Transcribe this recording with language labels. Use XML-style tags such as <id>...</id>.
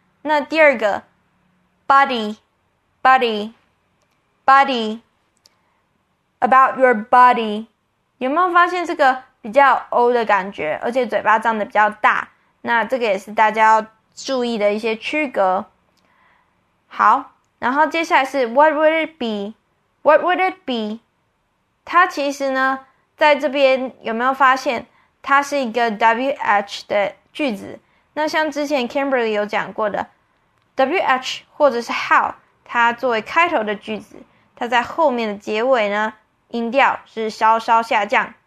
<zh>那第二个 buddy，</zh> <en>about your body，</en> <zh>有没有发现这个？比较 O 的感觉，而且嘴巴张得比较大，那这个也是大家要注意的一些区隔。好，然后接下来是</zh> <en>What would it be? What would it be?</en> <zh>它其实呢，在这边有没有发现，它是一个 WH 的句子？那像之前 Kimberly 有讲过的 WH 或者是 How，它作为开头的句子，它在后面的结尾呢，音调是稍稍下降。</zh>